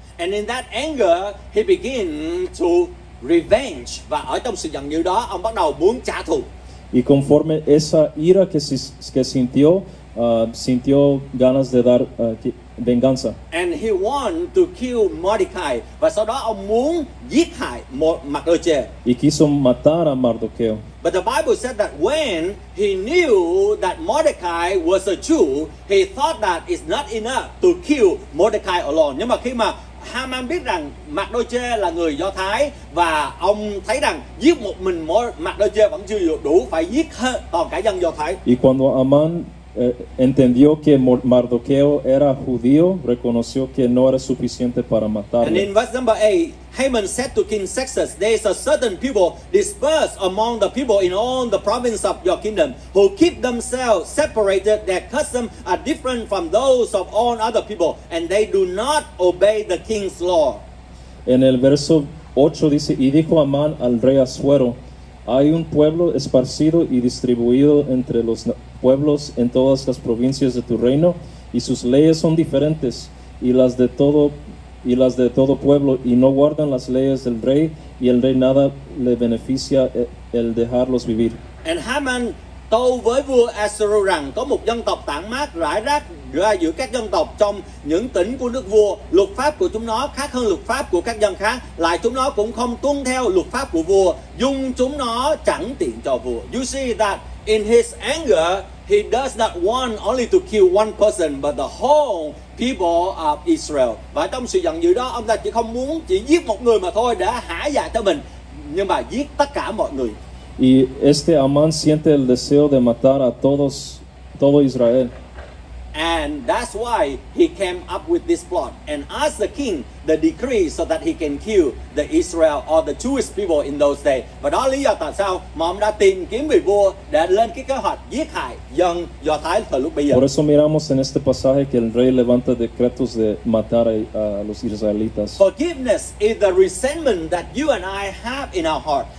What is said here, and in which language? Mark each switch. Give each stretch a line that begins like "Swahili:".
English: And in that anger, he began to revenge.
Vietnamese: Và ở trong sự giận dữ đó, ông bắt đầu muốn trả thù.
Spanish: Y conforme esa ira que sintió, sintió ganas de dar venganza.
English: And he want to kill Mordecai.
Vietnamese: Và sau đó ông muốn giết hại Mardochê.
Spanish: Y quiso matar a Mardoqueo.
English: But the Bible said that when he knew that Mordecai was a Jew, he thought that it's not enough to kill Mordecai alone.
Vietnamese: Nhưng mà khi mà Haman biết rằng Mardochê là người Do Thái và ông thấy rằng giết một mình Mardochê vẫn chưa đủ, phải giết hết toàn cả dân Do Thái.
Spanish: Y cuando Amán entendió que Mardoqueo era judío, reconoció que no era suficiente para matarlo.
English: And in verse number 8, Haman said to King Sextus, there is a certain people dispersed among the people in all the province of your kingdom who keep themselves separated, their customs are different from those of all other people, and they do not obey the king's law.
Spanish: En el verso 8 dice, y dijo Amán al rey Asuero, hay un pueblo esparcido y distribuido entre los pueblos en todas las provincias de tu reino y sus leyes son diferentes y las de todo pueblo y no guardan las leyes del rey y el rey nada le beneficia el dejarlos vivir.
English: And Haman told
Vietnamese: với vua Assyria rằng có một dân tộc tản mát rải rác ra giữa các dân tộc trong những tỉnh của nước vua. Luật pháp của chúng nó khác hơn luật pháp của các dân khác, lại chúng nó cũng không tuân theo luật pháp của vua, dung chúng nó chẳng tiện cho vua.
English: You see that in his anger, He does not want only to kill one person, but the whole people of Israel.
Vietnamese: Và trong sự giận dữ đó, ông ta chỉ không muốn chỉ giết một người mà thôi để hả dạ cho mình, nhưng mà giết tất cả mọi người.
Spanish: Y este Amán siente el deseo de matar a todos, todo Israel.
English: And that's why he came up with this plot and asked the king the decree so that he can kill the Israel or the Jewish people in those days.
Vietnamese: Và đó lý do tại sao mà ông đã tìm kiếm vị vua để lên cái kế hoạch giết hại dân Do Thái thời lúc bây giờ.
Spanish: Por eso miramos en este pasaje que el rey levanta decretos de matar a los israelitas.
English: Forgiveness is the resentment that you and I have in our heart.